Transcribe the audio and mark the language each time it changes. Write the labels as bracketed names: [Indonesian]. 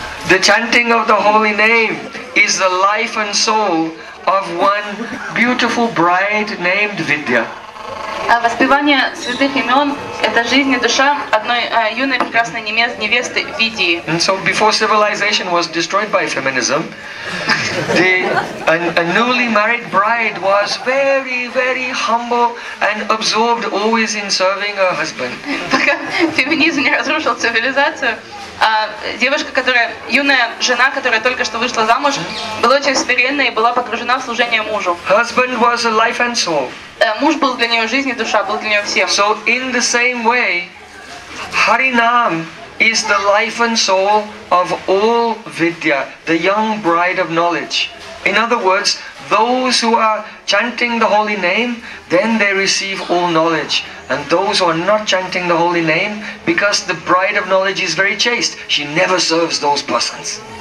[English] The chanting of the holy name is the life and soul of one beautiful bride named Vidya. [Russian] Воспевание святых имен – это жизнь и душа одной юной прекрасной невесты Видии. [English] And so before civilization was destroyed by feminism, the a newly married bride was very, very humble and absorbed always in serving her husband. [Russian] Пока феминизм не разрушил цивилизацию, девушка, которая, юная жена, которая только что вышла замуж, была очень смиренна и была погружена в служение мужу. [English] Husband was a life and soul. [Russian] Муж был для нее жизнь и душа, был для нее всем. [English] So in the same way, Harinam is the life and soul of all Vidya, the young bride of knowledge. In other words, those who are chanting the holy name, then they receive all knowledge. And those who are not chanting the holy name, because the bride of knowledge is very chaste, she never serves those persons.